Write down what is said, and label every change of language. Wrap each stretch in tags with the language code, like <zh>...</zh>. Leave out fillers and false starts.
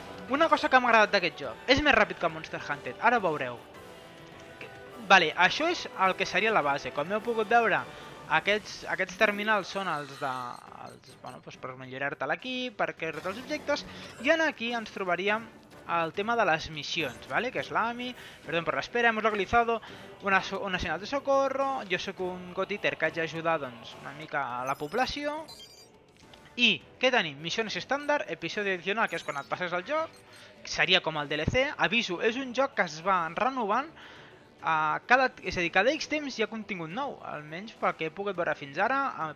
<ca>Una cosa que m'ha agradat d'aquest joc, és més ràpid que Monster Hunter, ara ho veureu. Vale, això és el que seria la base. Com heu pogut veure, aquests terminals són els de... Els, bueno, doncs per millorar-te l'equip, per crear-te els objectes... I aquí ens trobaríem el tema de les missions, vale? Que és l'AMI...</ca> <es>Perdón per l'espera, hemos localizado una señal de socorro...</es> <ca>Jo sóc un Gotiter que haig d'ajudar doncs, una mica a la població... I què tenim? Missions estàndard, episodi adicional, que és quan et passes el joc... Seria com el DLC... Aviso, és un joc que es va renovant... Cada X temps hi ha contingut nou, almenys pel que he pogut veure fins ara.</ca>